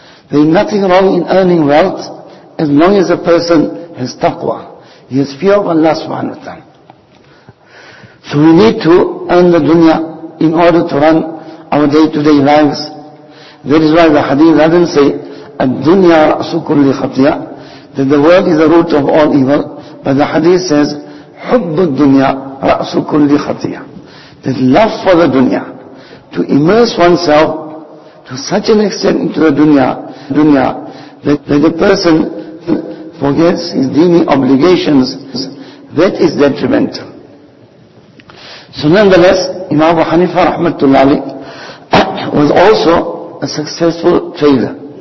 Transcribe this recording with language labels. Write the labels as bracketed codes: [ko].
[en] There is nothing wrong in earning wealth as long as a person has taqwa. He has fear of Allah subhanahu wa ta'ala. So we need to earn the dunya in order to run our day-to-day lives. That is why the hadith doesn't say, [ar] الدنيا رأس كل خطية, [en] that the world is the root of all evil. But the hadith says, [ar] حب الدنيا رأس كل خطية. [en] That love for the dunya, to immerse oneself to such an extent into the dunya, that the person forgets his dini obligations, that is detrimental. So nonetheless, Imam Abu Hanifa rahmatullahi was also a successful trader.